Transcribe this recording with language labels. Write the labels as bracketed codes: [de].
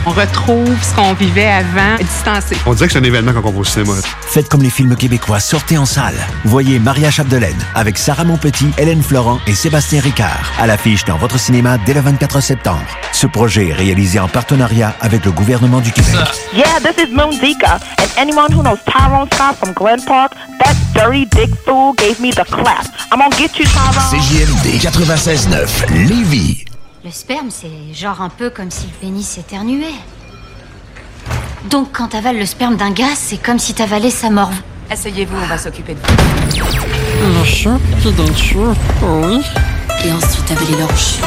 [fr] On retrouve ce qu'on vivait avant, distancé. On dirait que c'est un événement quand on va au cinéma. Faites comme les films québécois, sortez en salle. Voyez Maria Chapdelaine avec Sarah Monpetit, Hélène Florent et Sébastien Ricard à l'affiche dans votre cinéma dès le 24 septembre. Ce projet est réalisé en partenariat avec le gouvernement du Québec. Ça. [en] Yeah, this is Moondika, and anyone who knows Tyrone Scott from Glen Park, that dirty big fool gave me the clap. I'm gonna get you, Tyrone. [fr] CJMD 96.9, Lévis. Le sperme, c'est genre un peu comme si le pénis s'éternuait. Donc, quand t'avales le sperme d'un gars, c'est comme si t'avalais sa morve. Asseyez-vous, on va s'occuper de vous. Le chat, c'est un chat, oui. Et ensuite, avaler l'orche.